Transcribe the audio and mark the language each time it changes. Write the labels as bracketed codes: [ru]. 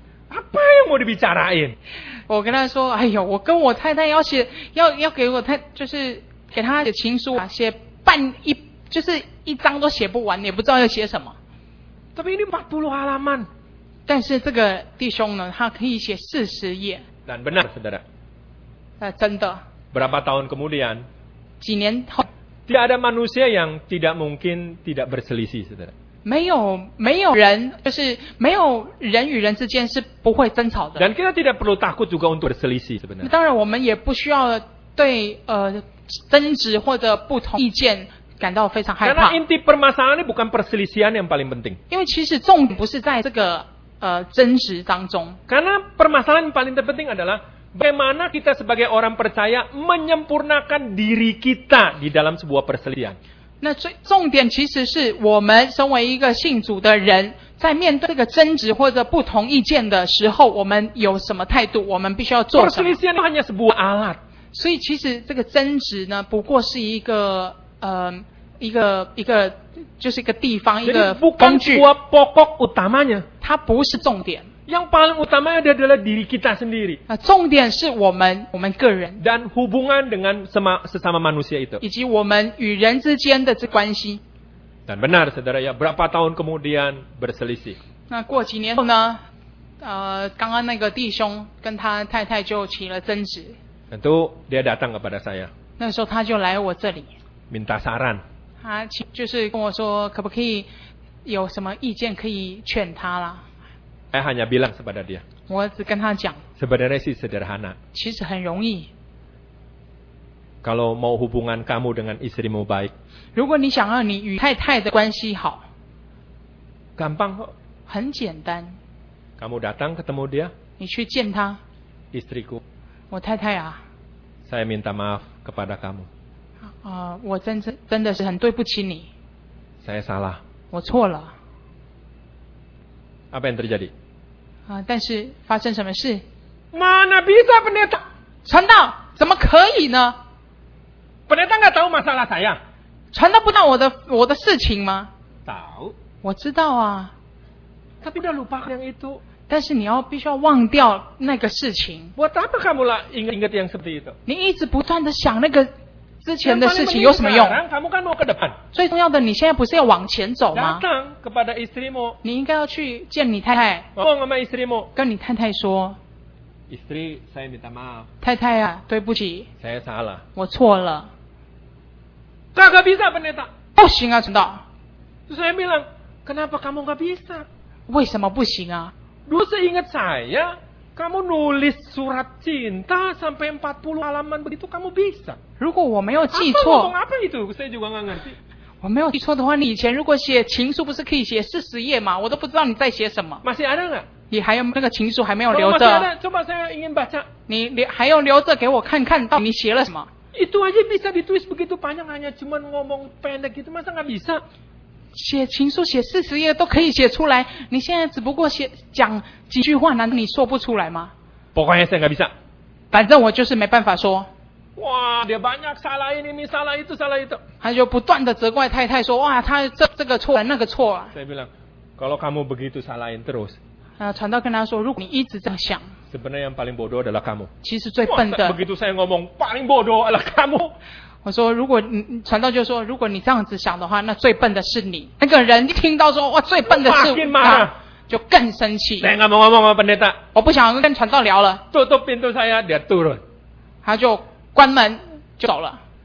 [id] Apa yang mau dibicarain? [zh] 我跟他说， 哎呦， 我跟我太太要写，要给我太，就是给他写情书啊，写半一， 就是一张都写不完， 也不知道要写什么。 [id] Tapi ini 40 halaman。 [zh] 但是这个弟兄呢， 他可以写40页。 [id] Dan benar, saudara. [zh] 真的. [id] Berapa tahun kemudian? [zh] 几年后, [id] tidak ada manusia yang tidak mungkin tidak berselisih, saudara. [zh] 没有人, 就是没有人与人之间是不会争吵的。 [id] Dan kita tidak perlu takut juga untuk berselisih, sebenarnya. [zh] 当然我们也不需要对争执或者不同意见感到非常害怕。 [id] Karena inti permasalahan ini bukan perselisihan yang paling penting. [zh] 因为其实重点不是在这个争执当中。 [id] Karena permasalahan yang paling terpenting adalah bagaimana kita sebagai orang percaya menyempurnakan diri kita di dalam sebuah perselisihan. [zh] 那重点其实是我们身为一个信主的人，在面对这个争执或者不同意见的时候，我们有什么态度？我们必须要做什么 [id] ？Perselisihan hanya sebuah alat. [zh] 所以其实这个争执呢，不过是一个一个就是一个地方一个工具。 [id] Bukan sebuah pokok utamanya. [zh] 它不是重点。 [id] Yang paling utamanya adalah diri kita sendiri. [zh] 重点是我们个人。 [id] Dan hubungan dengan sesama manusia itu. [zh] 以及我们与人之间的这关系。 [id] Dan benar, saudara, ya, berapa tahun kemudian berselisih. [zh] 那过几年后呢？刚刚那个弟兄跟他太太就起了争执。 [id] Tentu dia datang kepada saya. [zh] 那时候他就来我这里。 [id] Minta saran. [zh] 他就是跟我说，可不可以有什么意见可以劝他啦？ [id] Saya hanya bilang kepada dia. [zh] 我只跟他讲。 [id] Sebenarnya sih sederhana. [zh] 其实很容易。 [id] Kalau mau hubungan kamu dengan istrimu baik. [zh] 如果你想要你与太太的关系好。 [id] Gampang. [zh] 很简单。 [id] Kamu datang ketemu dia. [zh] 你去见他。 [id] Istriku. [zh] 我太太啊。 [id] Saya minta maaf kepada kamu. [zh] 我真的是很对不起你。 [id] Saya salah. [zh] 我错了。 [id] Apa yang terjadi? [zh] 但是发生什么事？ [id] Mana bisa pendeta? [zh] 传道怎么可以呢？ [id] Pendeta nggak tahu masalah saya. [zh] 传道不知道我的事情吗？ [id] Tahu. [zh] 我知道啊。 [id] Tapi dah lupa yang itu. [zh] 但是你要必须要忘掉那个事情。 [id] Buat apa kamu lah ingat yang seperti itu? [zh] 你一直不断的想那个之前的事情有什么用？ [id] Kamu kan mau ke depan. [zh] 最重要的，你现在不是要往前走吗？ [id] Datang kepada istrimu. [zh] 你应该要去见你太太。 [id] Ngomong sama istrimu. [zh] 跟你太太说。 [id] Istri, saya minta maaf. [zh] 太太啊，对不起。 [id] Saya salah. [zh] 我错了。 [id] Tak bisa pendeta. [zh] 不行啊，传道。 [id] Saya bilang, kenapa kamu tak bisa? [zh] 为什么不行啊？ [id] Dulu seingat saya, kamu nulis surat cinta sampai 40 halaman begitu kamu bisa. [zh] 如果我没有记错。 [id] Apa ngomong apa itu? Saya juga enggak ngerti. [zh] 我没有记错的话，你以前如果写情书不是可以写40页吗？我都不知道你在写什么。 [id] Masih ada enggak? [zh] 你还有那个情书还没有留着。 [id] Masih ada, coba saya ingin baca. [zh] 你还要留着给我看看到你写了什么。 [id] Itu aja bisa ditulis begitu panjang hanya cuma ngomong pendek gitu masa enggak bisa? [zh] 写情书写40页都可以写出来，你现在只不过写讲几句话，难道你说不出来吗？ [id] Pokoknya saya enggak bisa. [zh] 反正我就是没办法说。 [id] 哇，dia banyak salah ini salah itu salah itu. [zh] 他就不断的责怪太太说，哇，他这个错那个错啊。 [id] Saya bilang, kalau kamu begitu salahin terus. [zh] 传道跟他说，如果你一直这样想。 [id] Sebenarnya yang paling bodoh adalah kamu. [zh] 其实最笨的。 [id] Begitu saya ngomong paling bodoh adalah kamu. [zh] 我说如果传道就说如果你这样子想的话，那最笨的是你。那个人听到说哇最笨的是他，就更生气。 [id] Saya nggak mau ngomong sama pendeta. [zh] 我不想跟传道聊了。 [id] Tutup pintu saya dia turun. [zh] 他就关门就走了。